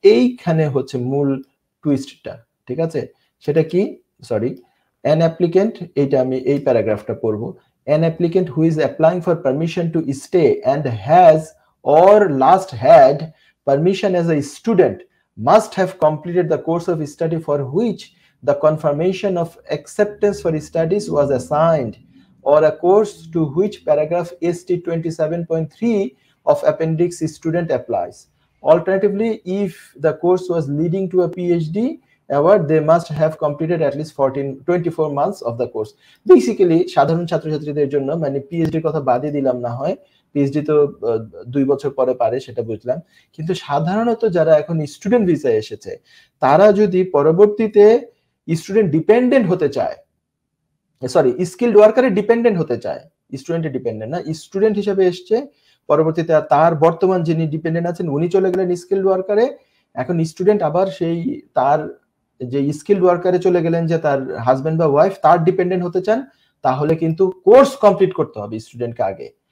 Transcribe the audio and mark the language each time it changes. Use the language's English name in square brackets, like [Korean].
[Bangla] এইখানে হচ্ছে মূল টুইস্টটা, ঠিক আছে, সেটা কি, সরি, [English] an applicant, [Bangla] এইটা আমি এই প্যারাগ্রাফটা পড়বো, [English] An applicant who's applying for permission to stay and has or last had permission as a student must have completed the course of study for which the confirmation of acceptance for studies was assigned or a course to which paragraph ST 27.3 of appendix student applies. Alternatively, if the course was leading to a PhD award, they must have completed at least 24 months of the course. [Bangla] Basically, সাধারণ ছাত্রছাত্রীদের জন্য, মানে PhD এর কথা বাদই দিলাম না হয়, PhD তো 2 বছর পরে পারে সেটা বুঝলাম, কিন্তু সাধারণত যারা এখন স্টুডেন্ট ভিসায় এসেছে তারা যদি পরবর্তীতে স্টুডেন্ট ডিপেন্ডেন্ট হতে চায়, সরি, স্কিলড ওয়ার্কারে ডিপেন্ডেন্ট হতে চায়, স্টুডেন্টে ডিপেন্ডেন্ট না, স্টুডেন্ট হিসেবে এসছে পরবর্তীতে তার বর্তমান যিনি ডিপেন্ডেন্ট আছেন উনি চলে গেলেন স্কিলড ওয়ার্কারে, এখন স্টুডেন্ট আবার সেই তার যে স্কিলড ওয়ার্কারে চলে গেলেন যে তার হাজবেন্ড বা ওয়াইফ তার ডিপেন্ডেন্ট হতে চান, তাহলে কিন্তু কোর্স কমপ্লিট করতে হবে স্টুডেন্টকে আগে।